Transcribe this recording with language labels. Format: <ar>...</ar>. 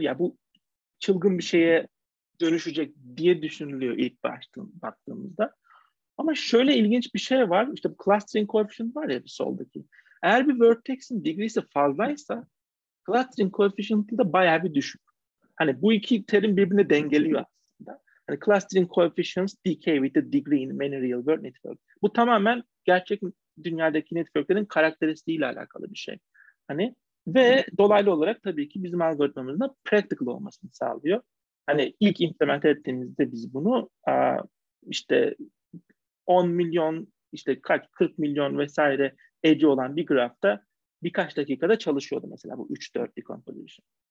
<tr>Ya yani bu çılgın bir şeye dönüşecek diye düşünülüyor ilk baktığımızda. Ama şöyle ilginç bir şey var. İşte bu clustering coefficient var ya bir soldaki. Eğer bir vertexin degreesi fazlaysa clustering coefficient'ı da bayağı bir düşük. Hani bu iki terim birbirine dengeliyor.</tr> <en>Yani clustering coefficients decay with the degree in many real world network.</en> <tr>Bu tamamen gerçek dünyadaki networklerin karakteristiğiyle alakalı bir şey. Hani ve dolaylı olarak tabii ki bizim algoritmamızın practical olmasını sağlıyor. Hani ilk implement ettiğimizde biz bunu işte 10 milyon işte kaç 40 milyon vesaire edge olan bir grafta birkaç dakikada çalışıyordu mesela bu 3-4 decomposition.</tr>